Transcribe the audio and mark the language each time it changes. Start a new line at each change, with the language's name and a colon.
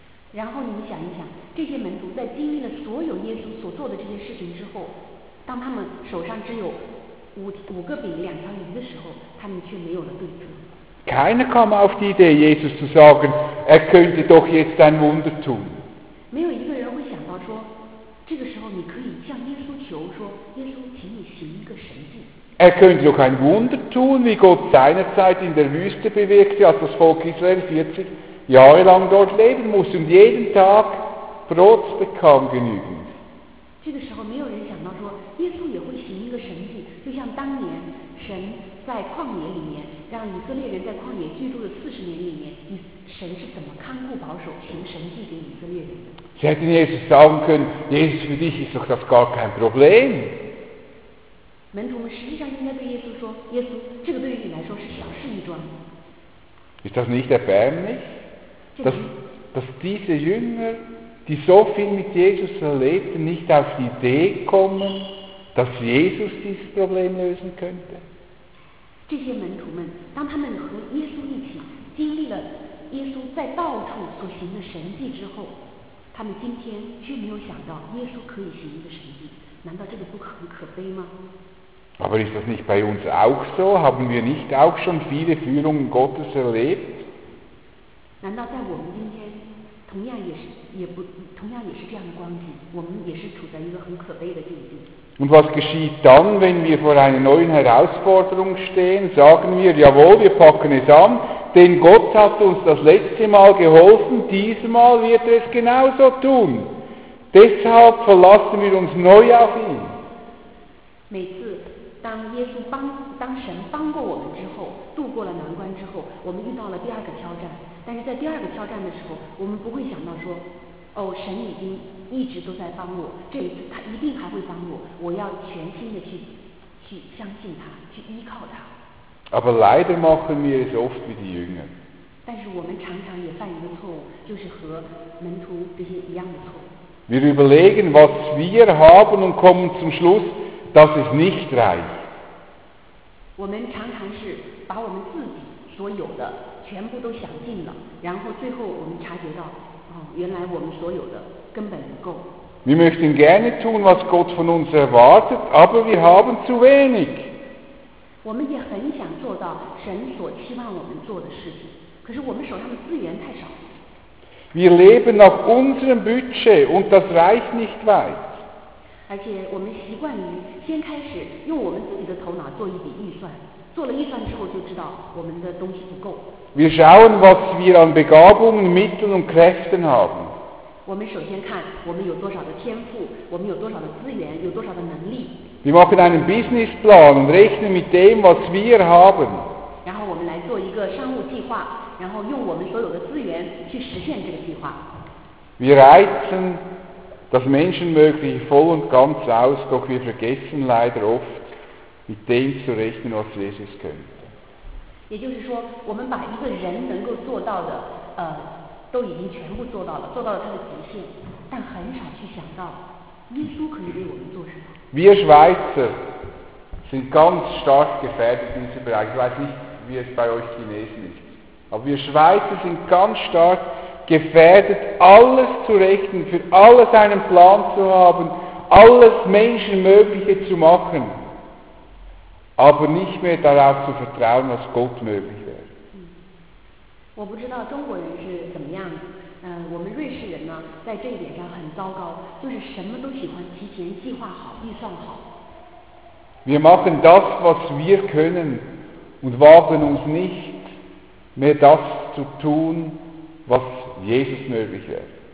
German: Und dann, wenn Sie sich überlegen, diese Männer, die in den ganzen Jesus so getan haben, diese Dinge nach,
Chinese: 当他们手上只有 五个饼两条鱼的时候，他们却没有了对策。
German: Keiner kam auf die Idee, Jesus zu sagen, er könnte doch jetzt ein Wunder tun.
Chinese: 没有一个人会想到说，这个时候你可以向耶稣求说，耶稣，请你行一个神迹。
German: Er könnte doch ein Wunder tun, wie Gott seinerzeit in der Wüste bewirkte, als das Volk Israel 40 Jahre lang dort leben musste und jeden Tag Brot bekam genügend.
Chinese: 这个时候没有人想到说耶稣也会行一个神迹，就像当年神在旷野里面让以色列人在旷野居住的四十年里面，神是怎么看顾保守行神迹给以色列人的。
German: Sie hätten Jesus sagen können, Jesus für dich ist doch das gar kein Problem.
Chinese: 门徒们实际上应该对耶稣说，耶稣，这个对于你来说是小事一桩。
German: Ist das nicht erbärmlich, dass diese Jünger,die so viel mit Jesus erlebten, nicht auf die Idee kommen, dass Jesus dieses Problem lösen könnte. Aber ist das nicht bei uns auch so? Haben wir nicht auch schon viele Führungen Gottes erlebt? Und was geschieht dann, wenn wir vor einer neuen Herausforderung stehen? Sagen wir, jawohl, wir packen es an, denn Gott hat uns das letzte Mal geholfen, diesmal wird er es genauso tun. Deshalb verlassen wir uns neu auf ihn.
Chinese: 每次当耶稣帮当神帮过我们之后，度过了难关之后，我们遇到了第二个挑战。但是在第二个挑战的时候，我们不会想到说，哦，神已经一直都在帮我，这一次他一定还会帮我，我要全心的去相信他，去依靠他。
German: Aber leider machen wir es oft wie die Jünger.
Chinese: 但是我们常常也犯一个错误，就是和门徒这些一样的错误。
German: Wir überlegen, was wir haben und kommen zum Schluss, dass es nicht reicht.
Chinese: 我们常常是把我们自己所有的全部都想尽了，然后最后我们察觉到，哦，原来我们所有的根本不够。
German: Wir möchten gerne tun, was Gott von uns erwartet, aber wir haben zu wenig.
Chinese: 我们也很想做到神所期望我们做的事情，可是我们手上的资源太少。
German: Wir leben nach unserem Budget und das reicht nicht weit.
Chinese: 而且我们习惯于先开始用我们自己的头脑做一笔预算，做了预算之后就知道我们的东西不够。
German: Wir schauen, was wir an Begabungen, Mitteln und Kräften haben.
Chinese: 我们首先看我们有多少的天赋，我们有多少的资源，有多少的能力。
German: Wir machen einen Businessplan und rechnen mit dem, was wir haben.
Chinese: 然后我们来做一个商务计划，然后用我们所有的资源去实现这个计划。
German: Wir reizen das Menschenmögliche voll und ganz aus, doch wir vergessen leider oft, mit dem zu rechnen, was Jesus könnte.
Chinese: 也就是说，我们把一个人能够做到的，都已经全部做到了，做到了他的极限，但很少去想到耶稣可以为我们做什么。
German: Wir Schweizer sind ganz stark gefährdet in diesem Bereich. Ich weiß nicht, wie es bei euch Chinesen ist. Aber wir Schweizer sind ganz stark gefährdet, alles zu rechnen, für alles einen Plan zu haben, alles Menschenmögliche zu machen, aber nicht mehr darauf zu vertrauen, was Gott möglich wäre.
Chinese: 我不知道中国人是怎么样的。我们瑞士人呢，在这一点上很糟糕，就是什么都喜欢提前计划好、预算好。
German: Wir machen das, was wir können, und wagen uns nicht mehr das zu tun, was Jesus möglich wäre.